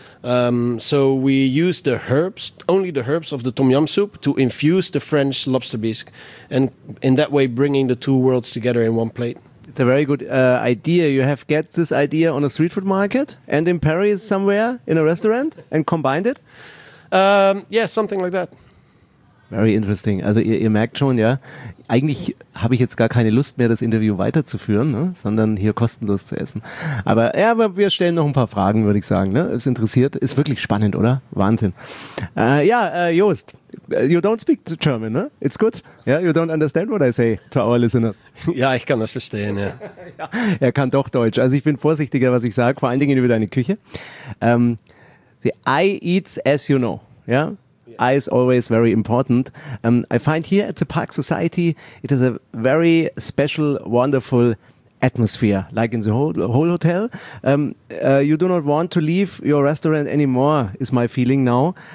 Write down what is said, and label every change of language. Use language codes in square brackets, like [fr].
[en] So we used the herbs, only the herbs of the tom yum soup, to infuse the French lobster bisque, and in that way, bringing the two worlds together in one plate. It's a very good idea. You have get this idea on a street food market and in Paris somewhere in a restaurant and combined it? Yeah, something like that. Very interesting. [de] Also ihr merkt schon, ja, eigentlich habe ich jetzt gar keine Lust mehr, das Interview weiterzuführen, ne? Sondern hier kostenlos zu essen. Aber ja, aber wir stellen noch ein paar Fragen, würde ich sagen. Ne? Es interessiert, ist wirklich spannend, oder? Wahnsinn. [en] Joost, you don't speak German, ne? It's good. Yeah, you don't understand what I say to our listeners. [de] Ja, ich kann das verstehen, ja. Er kann doch Deutsch. Also ich bin vorsichtiger, was ich sage, vor allen Dingen über deine Küche. [en] I eat as you know, ja? Yeah? Eye is always very important. I find here at the Park Society, it is a very special, wonderful atmosphere, like in the whole hotel. You do not want to leave your restaurant anymore, is my feeling now.